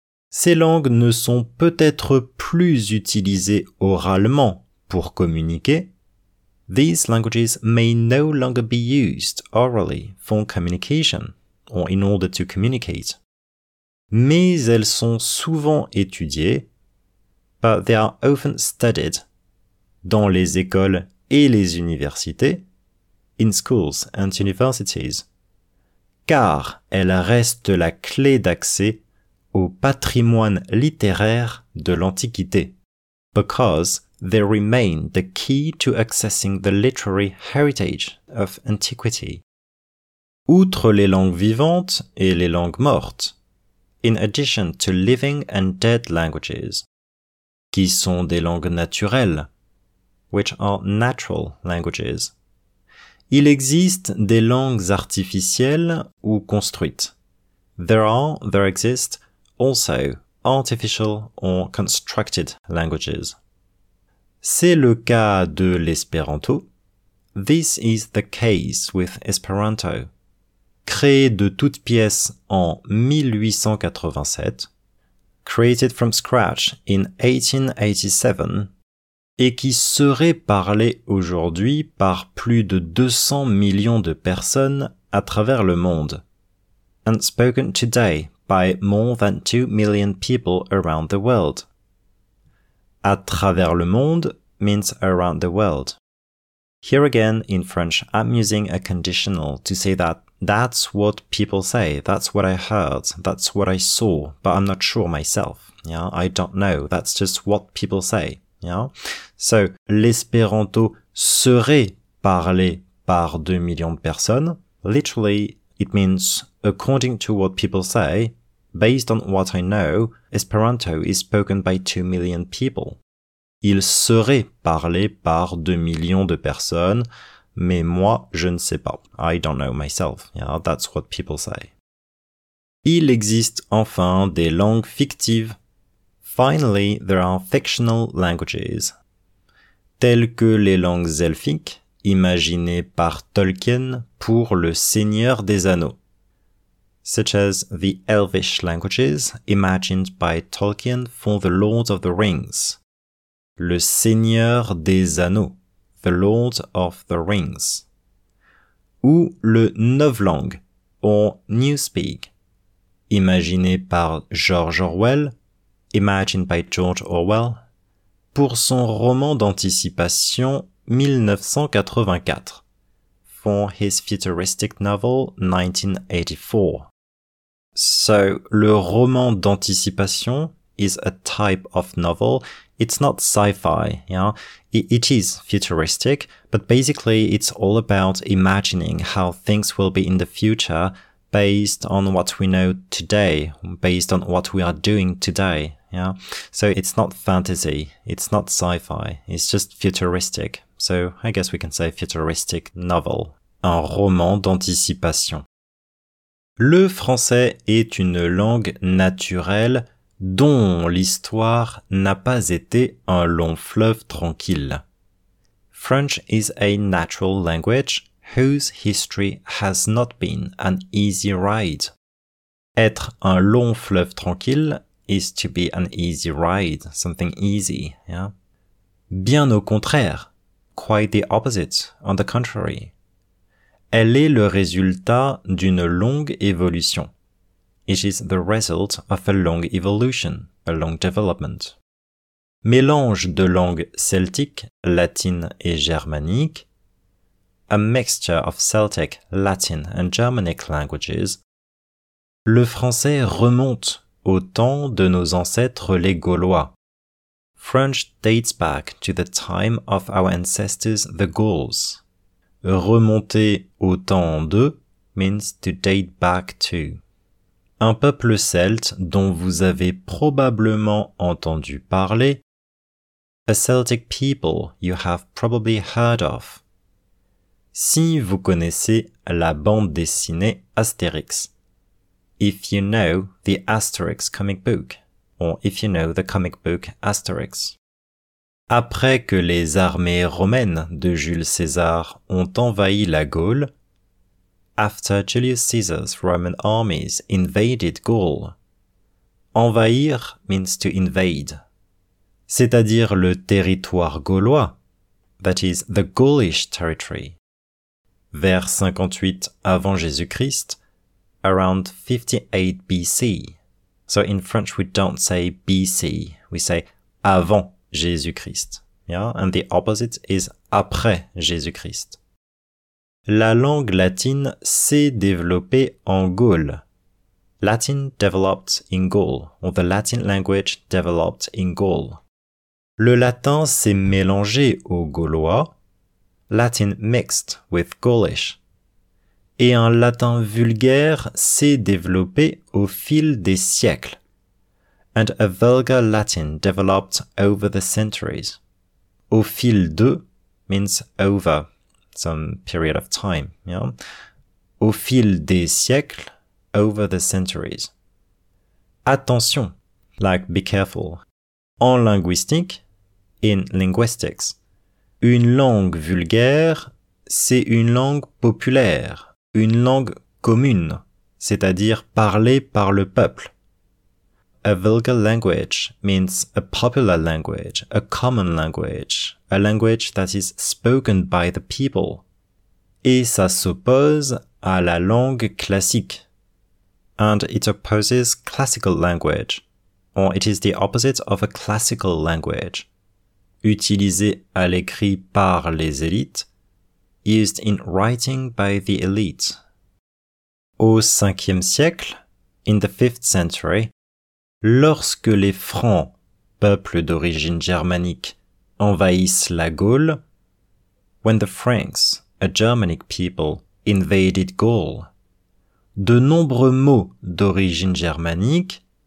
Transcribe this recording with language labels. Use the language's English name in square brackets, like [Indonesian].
[French] Ces langues ne sont peut-être plus utilisées oralement pour communiquer. [English] These languages may no longer be used orally for communication or in order to communicate. [French] Mais elles sont souvent étudiées, [English] but they are often studied, [French] dans les écoles et les universités, [English] in schools and universities, [French] car elles restent la clé d'accès au patrimoine littéraire de l'Antiquité. [English] Because they remain the key to accessing the literary heritage of antiquity. [French] Outre les langues vivantes et les langues mortes, [English] in addition to living and dead languages, [French] qui sont des langues naturelles, [English] which are natural languages, [French] il existe des langues artificielles ou construites. [English] There exist also artificial or constructed languages. [French] C'est le cas de l'espéranto. [English] This is the case with Esperanto. [French] Créé de toutes pièces en 1887, [English] created from scratch in 1887, [French] et qui serait parlé aujourd'hui par plus de 200 millions de personnes à travers le monde, [English] and spoken today by more than 2 million people around the world. [French] À travers le monde [English] means around the world. Here again, in French, I'm using a conditional to say that that's what people say, that's what I heard, that's what I saw, but I'm not sure myself, yeah? I don't know, that's just what people say, yeah? [French] So, l'espéranto serait parlé par 2 millions de personnes. [English] Literally, it means, according to what people say, based on what I know, Esperanto is spoken by 2 million people. [French] Il serait parlé par 2 millions de personnes, mais moi, je ne sais pas. [English] I don't know myself. Yeah, that's what people say. [French] Il existe enfin des langues fictives. [English] Finally, there are fictional languages. [French] Telles que les langues elfiques, imaginées par Tolkien pour Le Seigneur des Anneaux. [English] Such as the elvish languages imagined by Tolkien for The Lord of the Rings. [French] Le Seigneur des Anneaux, The Lord of the Rings. Ou le Novlang, [English] or Newspeak, [French] imaginé par George Orwell, [English] imagined by George Orwell, [French] pour son roman d'anticipation 1984, [English] for his futuristic novel 1984. So, [French] le roman d'anticipation [English] is a type of novel. It's not sci-fi, yeah? It is futuristic, but basically it's all about imagining how things will be in the future based on what we know today, based on what we are doing today, yeah? So it's not fantasy, it's not sci-fi, it's just futuristic. So I guess we can say futuristic novel. [French] Un roman d'anticipation. Le français est une langue naturelle dont l'histoire n'a pas été un long fleuve tranquille. [English] French is a natural language whose history has not been an easy ride. [French] Être un long fleuve tranquille [English] is to be an easy ride, something easy, yeah? [French] Bien au contraire, [English] quite the opposite, on the contrary. [French] Elle est le résultat d'une longue évolution. [English] It is the result of a long evolution, a long development. [French] Mélange de langues celtiques, latines et germaniques. [English] A mixture of Celtic, Latin and Germanic languages. [French] Le français remonte au temps de nos ancêtres les Gaulois. [English] French dates back to the time of our ancestors the Gauls. [French] Remonter au temps de [English] means to date back to. [French] Un peuple celte dont vous avez probablement entendu parler. [English] A Celtic people you have probably heard of. [French] Si vous connaissez la bande dessinée Astérix. [English] If you know the Asterix comic book. Or if you know the comic book Asterix. [French] Après que les armées romaines de Jules César ont envahi la Gaule, [English] after Julius Caesar's Roman armies invaded Gaul. Envahir means to invade, [French] c'est-à-dire le territoire gaulois, [English] that is the Gaulish territory. [French] Vers 58 avant Jésus-Christ, [English] around 58 BC. So in French we don't say BC, we say [French] avant Jésus-Christ. [English] Yeah, and the opposite is [French] après Jésus-Christ. La langue latine s'est développée en Gaule. [English] Latin developed in Gaul, or the Latin language developed in Gaul. [French] Le latin s'est mélangé au gaulois. [English] Latin mixed with Gaulish. [French] Et un latin vulgaire s'est développé au fil des siècles. [English] And a vulgar Latin developed over the centuries. [French] Au fil de [English] means over. Some period of time, yeah? [French] Au fil des siècles, [English] over the centuries. Attention, like be careful. [French] En linguistique, [English] in linguistics, [French] une langue vulgaire, c'est une langue populaire, une langue commune, c'est-à-dire parlée par le peuple. [English] A vulgar language means a popular language, a common language, a language that is spoken by the people. [French] Et ça s'oppose à la langue classique. [English] And it opposes classical language, or it is the opposite of a classical language. [French] Utilisé à l'écrit par les élites, [English] used in writing by the elite. [French] Au 5e siècle, [English] in the 5th century, [French] lorsque les Francs, peuple d'origine germanique, envahissent la Gaule, [English] when the Franks, a Germanic people, invaded Gaul, [French] de nombreux mots d'origine germanique,